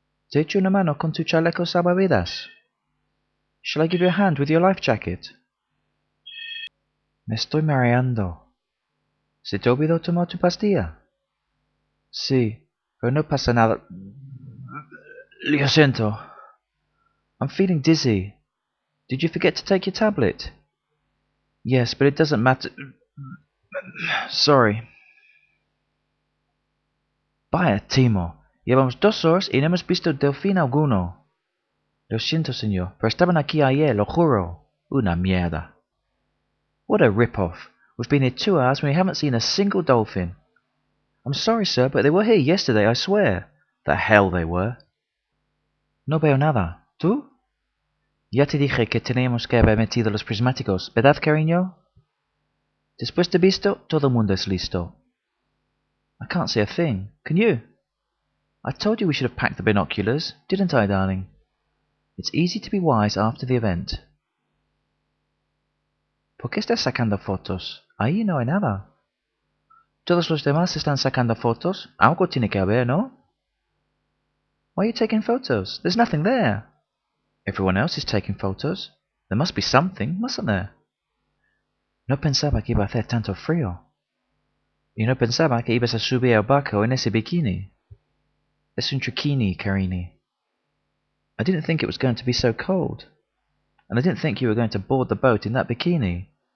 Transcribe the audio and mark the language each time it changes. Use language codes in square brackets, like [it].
[es] ¿Te echo una mano con tu chaleco salvavidas? [en] Shall I give you a hand with your life jacket? [es] Me estoy mareando. ¿Se te olvidó tomar tu pastilla? Sí, pero no pasa nada. Lo siento. [en] I'm feeling dizzy. Did you forget to take your tablet? Yes, but it doesn't matter. Sorry. [es] Vaya, Timo. Llevamos 2 horas y no hemos visto delfín alguno. Lo siento, señor, pero estaban aquí ayer, lo juro. Una mierda. [en] What a rip-off. We've been here 2 hours and we haven't seen a single dolphin. I'm sorry, sir, but they were here yesterday, I swear. The hell they were. [es] No veo nada. ¿Tú? Ya te dije que teníamos que haber metido los prismáticos, ¿verdad, cariño? Después de visto, todo el mundo es listo. [en] I can't see a thing. Can you? I told you we should have packed the binoculars, didn't I, darling? It's easy to be wise after the event. [es] ¿Por qué estás sacando fotos? Ahí no hay nada. ¿Todos los demás están sacando fotos? Algo tiene que haber, ¿no? [en] Why are you taking photos? There's nothing there. Everyone else is taking photos. There must be something, mustn't there? [es] No pensaba que iba a hacer tanto frío. Y no pensaba que ibas a subir al barco en ese bikini. Es un trichini, carini. [en] I didn't think it was going to be so cold. And I didn't think you were going to board the boat in that bikini.